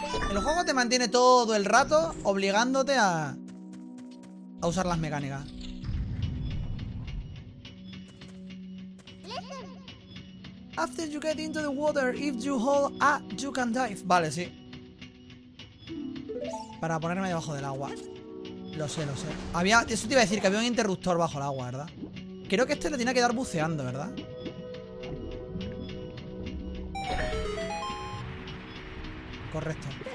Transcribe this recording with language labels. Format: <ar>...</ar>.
<es>El juego te mantiene todo el rato obligándote a usar las mecánicas.</es> <en>After you get into the water, if you hold A, you can dive.</en> <es>Vale, sí. Para ponerme debajo del agua. Lo sé, lo sé. Había, eso te iba a decir, que había un interruptor bajo el agua, ¿verdad? Creo que este lo tiene que dar buceando, ¿verdad? Correcto.</es>